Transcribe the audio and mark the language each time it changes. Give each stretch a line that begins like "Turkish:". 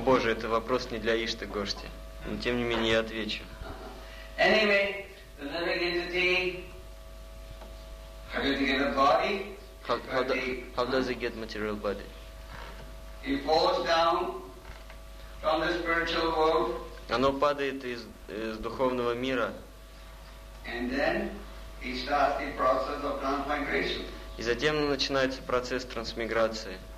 Russian: Боже, это вопрос не для Ишта Гошти. Но тем не менее я отвечу.
English: Anyway. The living entity, how does he get a body? How does he get material body? He falls down from the spiritual world.
Russian: Оно падает из духовного мира.
English: And then he starts the process of transmigration.
Russian: И затем начинается процесс трансмиграции.